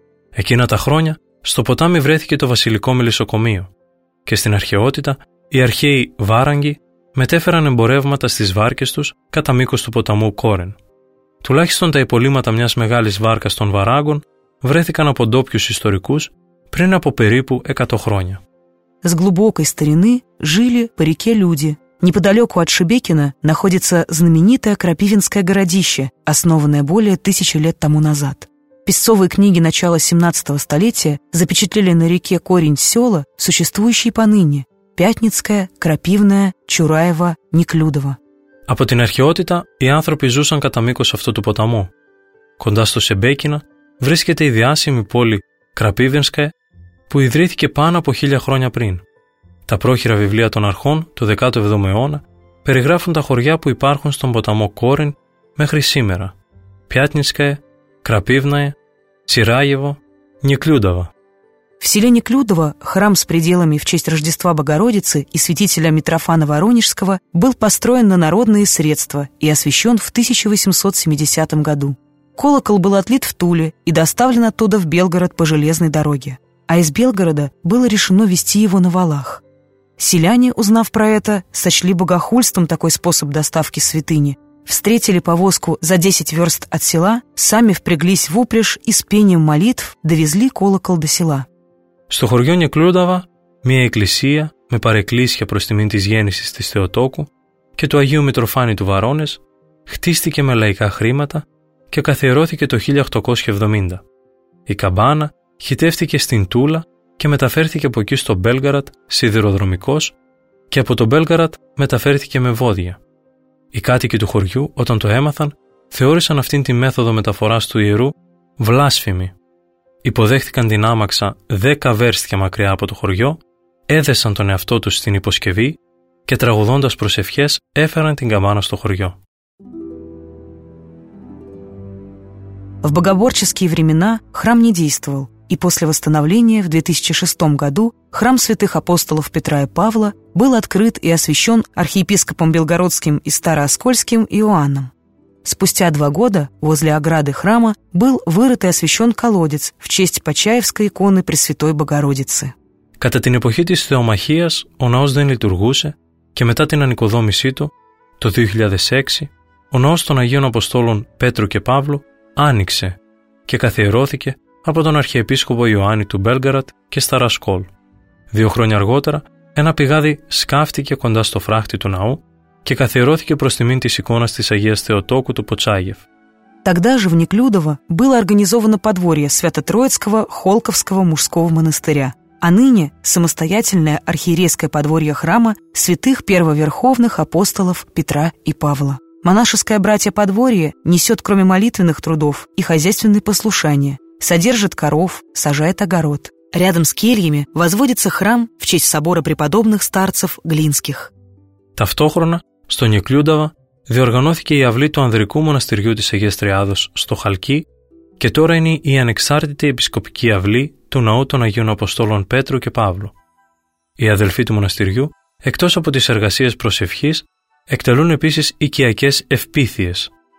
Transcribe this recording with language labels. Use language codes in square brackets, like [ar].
[el] Εκείνα τα χρόνια στο ποτάμι βρέθηκε το βασιλικό μελισσοκομείο και στην αρχαιότητα οι αρχαίοι Βάραγγοι μετέφεραν εμπορεύματα στις βάρκες τους κατά μήκος του ποταμού Κόρεν. Τουλάχιστον τα υπολείμματα μιας μεγάλης βάρκας των Βαράγκων βρέθηκαν από ντόπιους ιστορικούς πριν από περίπου 100 χρόνια. [ru] С глубокой старины жили по реке люди. Неподалеку от Шебекина находится знаменитое Крапивинское городище, основанное более 1000 лет тому назад. Песцовые книги начала 17 столетия запечатлели на реке Корень села, существующие поныне – Пятницкое, Крапивное, Чураево, Неклюдово. [el] Από την αρχαιότητα, οι άνθρωποι ζούσαν κατά μήκος αυτού του ποταμού. Κοντά στο Σεμπέκινα βρίσκεται η διάσημη πόλη Κραπίβινσκε, που ιδρύθηκε πάνω από 1000 χρόνια πριν. Τα πρόχειρα βιβλία των αρχών του 17ου αιώνα περιγράφουν τα χωριά που υπάρχουν στον ποταμό Κόριν μέχρι σήμερα. Πιάτνισκε, Κραπίβναε, Τσιράγεβο, Νικλούνταβα. [ru] В селе Неклюдово храм с пределами в честь Рождества Богородицы и святителя Митрофана Воронежского был построен на народные средства и освящен в 1870 году. Колокол был отлит в Туле и доставлен оттуда в Белгород по железной дороге. А из Белгорода было решено везти его на валах. Селяне, узнав про это, сочли богохульством такой способ доставки святыни. Встретили повозку за 10 верст от села, сами впряглись в упряжь и с пением молитв довезли колокол до села. [el] Στο χωριό Νικλούνταβα, μια εκκλησία με παρεκκλήσια προς τιμήν της γέννησης της Θεοτόκου και του Αγίου Μητροφάνη του Βαρώνες, χτίστηκε με λαϊκά χρήματα και καθιερώθηκε το 1870. Η καμπάνα χυτεύτηκε στην Τούλα και μεταφέρθηκε από εκεί στο Μπέλγαραντ σιδηροδρομικός και από το Μπέλγαραντ μεταφέρθηκε με βόδια. Οι κάτοικοι του χωριού, όταν το έμαθαν, θεώρησαν αυτήν τη μέθοδο μεταφοράς του ιερού βλάσφημη. Υποδέχτηκαν την άμαξα 10 βέρστια μακριά από το χωριό, έδεσαν τον εαυτό τους στην υποσκευή και τραγουδώντας προσευχές έφεραν την καμπάνα στο χωριό. [ru] В богоборческие времена храм не действовал, и после восстановления в 2006 году храм святых апостолов Петра и Павла был открыт и освящен архиепископом белгородским и старооскольским Иоанном. Спустя 2 года возле ограды храма был вырыт и освящен колодец в честь Почаевской иконы Пресвятой Богородицы. [el] Κατά την εποχή της Θεομαχίας, ο ναός δεν λειτουργούσε και μετά την ανοικοδόμησή του, το 2006, ο ναός των Αγίων Αποστόλων Πέτρου και Παύλου άνοιξε και καθιερώθηκε από τον Αρχιεπίσκοπο Ιωάννη του Μπέλγαραντ και Σταρασκόλ. 2 χρόνια αργότερα, ένα πηγάδι σκάφτηκε κοντά στο φράχτη του ναού και καθιερώθηκε προς τιμήν της εικόνας της Αγίας Θεοτόκου του Ποτσάγεφ. [ru] Тогда же в Неклюдово было организовано подворье Свято-Троицкого Холковского мужского монастыря, а ныне самостоятельное архиерейское подворье храма святых первоверховных апостолов Петра и Павла. Монашеское братье-подворье несет, кроме молитвенных трудов и хозяйственные послушания, содержит коров, сажает огород. Рядом с кельями возводится храм в честь собора преподобных старцев Глинских. [el] Ταυτόχρονα, στο Νικλούνταβα διοργανώθηκε η αυλή του Ανδρικού Μοναστηριού της Αγίας Τριάδος στο Χαλκί και τώρα είναι η ανεξάρτητη επισκοπική αυλή του Ναού των Αγίων Αποστόλων Πέτρου και Παύλου. Οι αδελφοί του μοναστηριού, εκτός από τις εργασίες προσευχής, εκτελούν επίσης οικιακές ευπήθειες.